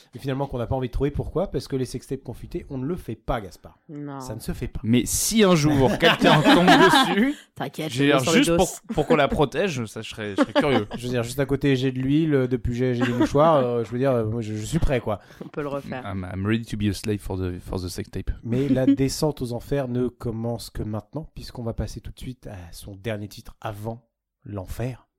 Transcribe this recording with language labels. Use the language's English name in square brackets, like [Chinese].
[French] Et finalement, qu'on n'a pas envie de trouver. Pourquoi ? Parce que les sex tapes qu'on fuitait, on ne le fait pas, Gaspard. Non. Ça ne se fait pas. Mais si un jour, quelqu'un tombe dessus. T'inquiète, j'ai l'air juste pour qu'on la protège, ça, je serais curieux. Je veux dire, juste à côté, j'ai de l'huile, depuis j'ai des mouchoirs. Je veux dire, moi, je suis prêt, quoi. On peut le refaire. [English] I'm ready to be a slave for the sex tape. [French] Mais la descente aux enfers ne commence que maintenant, puisqu'on va passer tout de suite à son dernier titre avant l'enfer.